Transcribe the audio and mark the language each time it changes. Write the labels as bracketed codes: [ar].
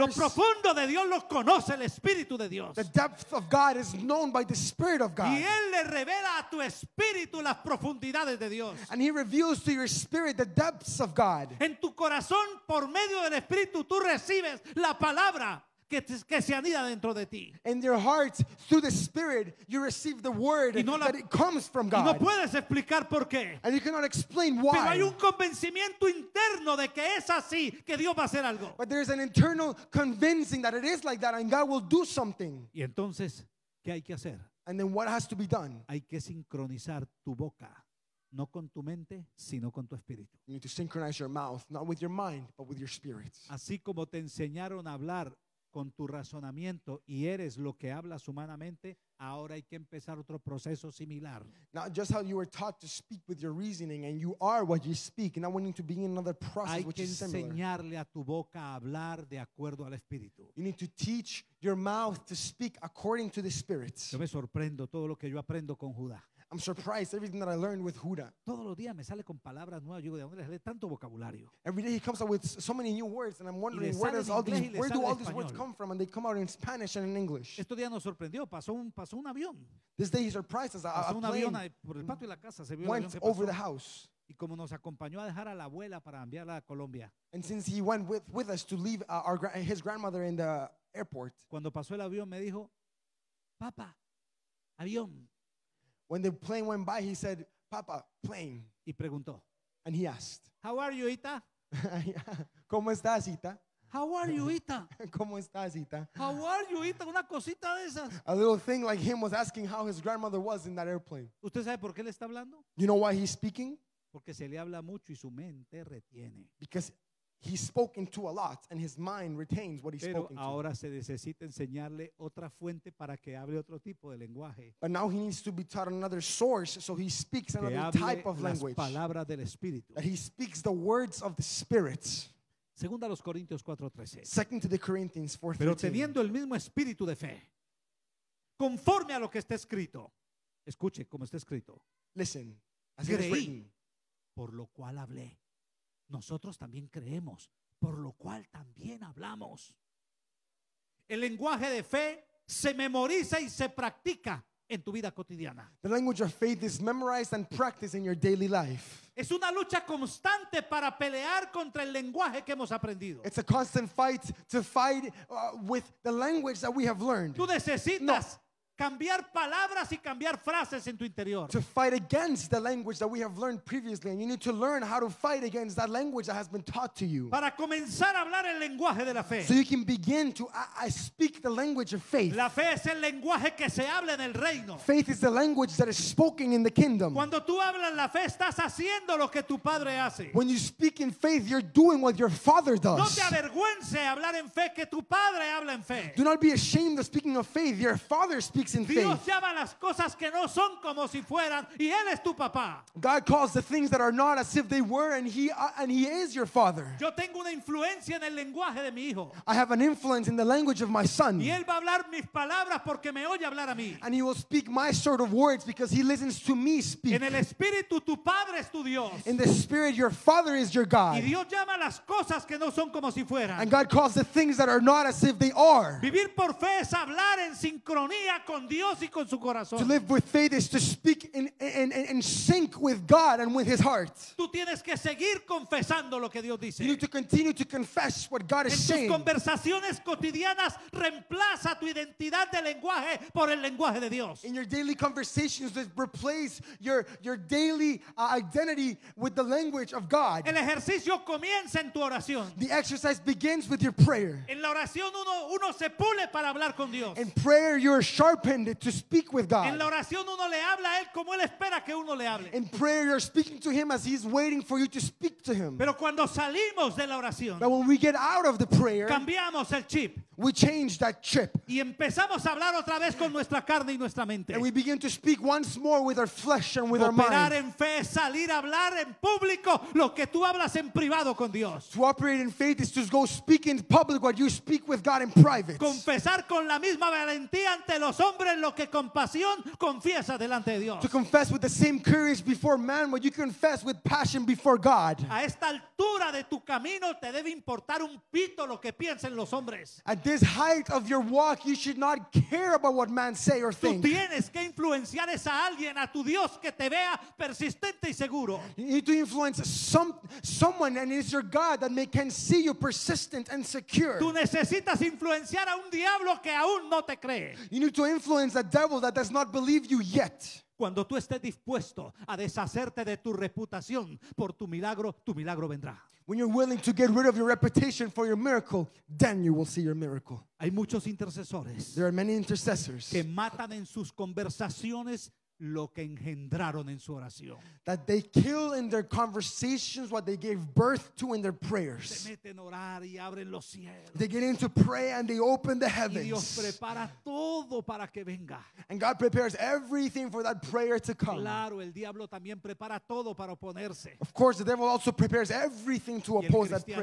[es] Lo profundo de Dios lo conoce el Espíritu de Dios. [en] The depth of God is known by the Spirit of God. [es] Y Él le revela a tu espíritu las profundidades de Dios. [en] And He reveals to your spirit the depths of God. [es] En tu corazón, por medio del Espíritu, tú recibes la palabra que se anida dentro de ti. [en] In your heart, through the Spirit, you receive the word that it comes from God. [es] Y no puedes explicar por qué. [en] And you cannot explain why. [es] Pero hay un convencimiento interno de que es así, que Dios va a hacer algo. [en] But there is an internal convincing that it is like that and God will do something. [es] Y entonces, ¿qué hay que hacer? [en] And then what has to be done? [es] Hay que sincronizar tu boca, no con tu mente, sino con tu espíritu. [en] You need to synchronize your mouth, not with your mind, but with your spirit. [es] Así como te enseñaron a hablar con tu razonamiento y eres lo que hablas humanamente, ahora hay que empezar otro proceso similar. [en] Not just how you were taught to speak with your reasoning and you are what you speak, now we need to begin another process which is similar. [es] Hay que enseñarle a tu boca a hablar de acuerdo al Espíritu. [en] You need to teach your mouth to speak according to the Spirit. [es] Yo me sorprendo todo lo que yo aprendo con Judá. [en] I'm surprised everything that I learned with Huda. [es] Todos los días me sale con palabras nuevas. Yo digo, ¿de dónde le sale tanto vocabulario? [en] Every day he comes up with so many new words, and I'm wondering where does all these where do all these words come from, and they come out in Spanish and in English. [es] Este día nos sorprendió. Pasó un avión. [en] This day he surprised us. [es] Un avión por el patio de la casa. Se vio [en] went [es] avión [en] over the house. [es] Y como nos acompañó a dejar a la abuela para enviarla a Colombia. [en] And since he went with us to leave his grandmother in the airport. [es] Cuando pasó el avión me dijo, papá, avión. [en] When the plane went by, he said, Papa, plane. [es] Y preguntó. [en] And he asked. How are you, Ita? [es] ¿Cómo estás, Ita? [en] How are you, Ita? [es] ¿Cómo estás, Ita? [en] How are you, [es] Ita? Una cosita de esas. [en] A little thing like him was asking how his grandmother was in that airplane. [es] ¿Usted sabe por qué le está hablando? [en] You know why he's speaking? [es] Porque se le habla mucho y su mente retiene. [en] Because he's spoken to a lot and his mind retains what he's [es] pero [en] spoken [es] ahora [en] to. [es] Se necesita enseñarle otra fuente para que hable otro tipo de lenguaje. [en] But now he needs to be taught another source so he speaks [es] que [en] another type of [es] las [en] language. [es] Palabras del Espíritu. [en] That he speaks the words of the Spirit. [es] Segunda a los Corintios 4:13. [en] Second to the Corinthians 4:13. [es] Pero teniendo el mismo espíritu de fe, conforme a lo que está escrito. Escuche como está escrito. [en] Listen, as [es] creí, [en] it is written. [es] Por lo cual hablé. Nosotros también creemos, por lo cual también hablamos. El lenguaje de fe se memoriza y se practica en tu vida cotidiana. [en] The language of faith is memorized and practiced in your daily life. [es] Es una lucha constante para pelear contra el lenguaje que hemos aprendido. [en] It's a constant fight to fight with the language that we have learned. [es] Tú necesitas cambiar palabras y cambiar frases en tu interior. [en] To fight against the language that we have learned previously, and you need to learn how to fight against that language that has been taught to you. [es] Para comenzar a hablar el lenguaje de la fe. [en] So you can begin to speak the language of faith. [es] La fe es el lenguaje que se habla en el reino. [en] Faith is the language that is spoken in the kingdom. [es] Cuando tú hablas la fe, estás haciendo lo que tu padre hace. [en] When you speak in faith, you're doing what your father does. [es] No te avergüences hablar en fe que tu padre habla en fe. [en] Do not be ashamed of speaking of faith. Your father speaks. [es] Dios llama las cosas que no son como si fueran, y él es tu papá. [en] God calls the things that are not as if they were, and he is your father. [es] Yo tengo una influencia en el lenguaje de mi hijo. [en] I have an influence in the language of my son. [es] Y él va a hablar mis palabras porque me oye hablar a mí. [en] And he will speak my sort of words because he listens to me speak. [es] En el espíritu tu padre es tu Dios. [en] In the spirit your father is your God. [es] Y Dios llama las cosas que no son como si fueran. [en] And God calls the things that are not as if they are. [es] Vivir por fe es hablar en sincronía con Dios y con su corazón. [en] To live with faith is to speak in sync with God and with his heart. [es] Tú tienes que seguir confesando lo que Dios dice. [en] You need to continue to confess what God is saying. [es] En tus conversaciones cotidianas, reemplaza tu identidad de lenguaje por el lenguaje de Dios. [en] In your daily conversations, replace your daily identity with the language of God. [es] El ejercicio comienza en tu oración. [en] The exercise begins with your prayer. [es] En la oración uno se pule para hablar con Dios. [en] In prayer you're sharpened to speak with God. [es] En la oración uno le habla a él como él espera que uno le hable. [en] In prayer you're speaking to him as he's waiting for you to speak to him. [es] Pero cuando salimos de la oración, [en] but when we get out of the prayer, [es] cambiamos el chip. [en] We change that chip. [es] Y empezamos a hablar otra vez con nuestra carne y nuestra mente. [en] And we begin to speak once more with our flesh and with [es] operar [en] our mind. [es] Operar en fe es salir a hablar en público lo que tú hablas en privado con Dios. [en] To operate in faith is to go speak in public what you speak with God in private. [es] Confesar con la misma valentía ante los hombres lo que con pasión confiesa delante de Dios. [en] To confess with the same courage before man what you confess with passion before God. [es] A esta altura de tu camino te debe importar un pito lo que piensen los hombres. [en] At this height of your walk you should not care about what man say or think. [es] Tú tienes que influenciar a alguien, a tu Dios, que te vea persistente y seguro. [en] You need to influence someone, and it's your God that can see you persistent and secure. [es] Tú necesitas influenciar a un diablo que aún no te cree. [en] You need to influence a devil that does not believe you yet. [es] Cuando tú estés dispuesto a deshacerte de tu reputación por tu milagro vendrá. [en] When you're willing to get rid of your reputation for your miracle, then you will see your miracle. [es] Hay muchos intercesores. [en] There are many intercessors. [es] Que matan en sus conversaciones lo que engendraron en su oración. [en] That they kill in their conversations what they gave birth to in their prayers. [es] Se meten a orar y abren los cielos. [en] They get into prayer and they open the heavens. [es] Y Dios prepara todo para que venga. [en] And God prepares everything for that prayer to come. [es] Claro, el diablo también prepara todo para oponerse. [en] Of course, the devil also prepares everything to oppose that prayer.